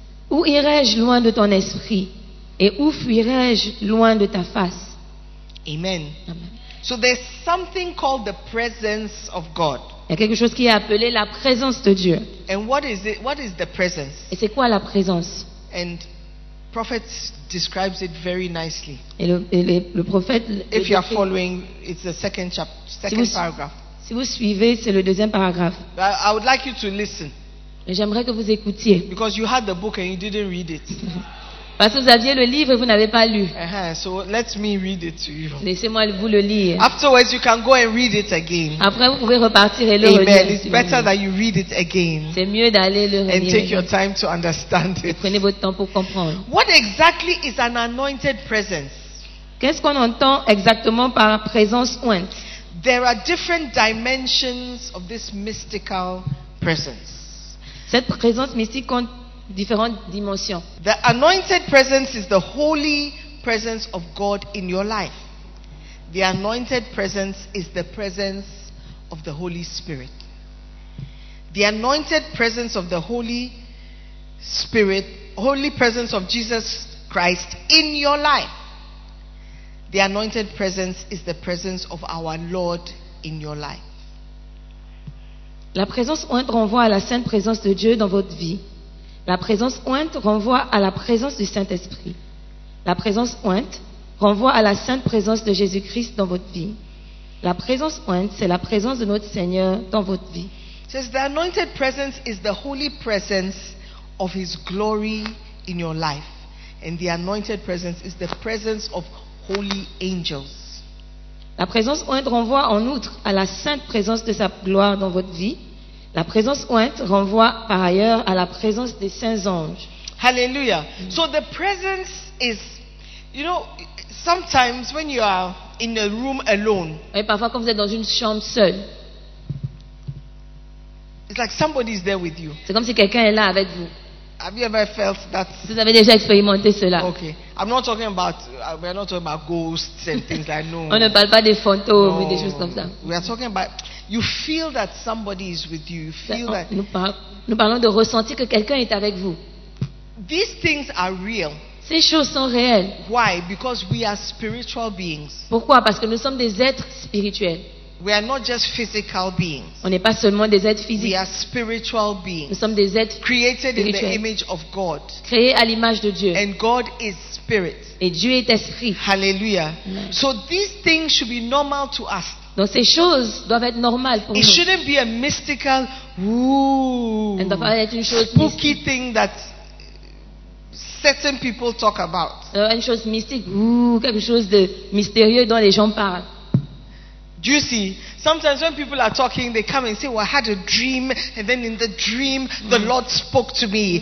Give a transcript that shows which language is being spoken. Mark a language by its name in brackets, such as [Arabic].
[French] Où irai-je loin de ton esprit et où fuirai-je loin de ta face? Amen. Amen. [English] So there's something called the presence of God. [French] Il y a quelque chose qui est appelé la présence de Dieu. [English] And what is it? What is the presence? [French] Et c'est quoi la présence? [English] And prophet describes it very nicely. [French] Et le prophète. [English] If you are following, it's the second chapter, paragraph. [French] Si vous suivez, c'est le deuxième paragraphe. [English] I would like you to listen. [French] J'aimerais que vous écoutiez. [English] Because you had the book and you didn't read it. [French] Parce que vous aviez le livre et vous n'avez pas lu. [English] So let me read it to you. [French] Laissez-moi vous le lire. [English] Afterwards, you can go and read it again. [French] Après, vous pouvez repartir et le Amen. Relire. [English] It's better that you read it again. [French] C'est mieux d'aller le relire. [English] And take your time to understand it. [French] Et prenez votre temps pour comprendre. [English] What exactly is an anointed presence? [French] Qu'est-ce qu'on entend exactement par présence ointe? [English] There are different dimensions of this mystical presence. [French] Cette présence mystique compte différentes dimensions. [English] The anointed presence is the holy presence of God in your life. The anointed presence is the presence of the Holy Spirit. The anointed presence of the Holy Spirit, holy presence of Jesus Christ in your life. The anointed presence is the presence of our Lord in your life. [French] La présence ointe renvoie à la sainte présence de Dieu dans votre vie. La présence ointe renvoie à la présence du Saint-Esprit. La présence ointe renvoie à la sainte présence de Jésus-Christ dans votre vie. La présence ointe, c'est la présence de notre Seigneur dans votre vie. [English] Says the anointed presence is the holy presence of his glory in your life. And the anointed presence is the presence of holy angels. [French] La présence ointe renvoie en outre à la sainte présence de sa gloire dans votre vie. La présence ointe renvoie par ailleurs à la présence des saints anges. [English] Hallelujah. So the presence is, you know, sometimes when you are in a room alone. [French] Et parfois quand vous êtes dans une chambre seule. [English] It's like somebody is there with you. [French] C'est comme si quelqu'un est là avec vous. [English] Have you ever felt that? [French] Vous avez déjà expérimenté cela? [English] Okay. I'm not talking about we are not talking about ghosts and things like no. [French] On ne parle pas des fantômes ou des choses comme ça. [English] We are talking about you feel that somebody is with you. You feel that. [French] Nous parlons de ressentir que quelqu'un est avec vous. [English] These things are real. [French] Ces choses sont réelles. [English] Why? Because we are spiritual beings. [French] Pourquoi? Parce que nous sommes des êtres spirituels. [English] We are not just physical beings. [French] On n'est pas seulement des êtres physiques. [English] We are spiritual beings. [French] Nous sommes des êtres [English] created in the image of God. [French] Créés à l'image de Dieu. [English] And God is spirit. [French] Et Dieu est esprit. [English] Hallelujah. So these things should be normal to us. [French] Donc ces choses doivent être normales pour nous. [English] It shouldn't be a mystical, ooh, [French] elle doit pas être une chose [English] spooky [French] mystique. [English] Thing that certain people talk about. [French] Une chose mystique, ooh, quelque chose de mystérieux dont les gens parlent. [English] Do you see? Sometimes when people are talking, they come and say, "Well, I had a dream, and then in the dream, the Lord spoke to me.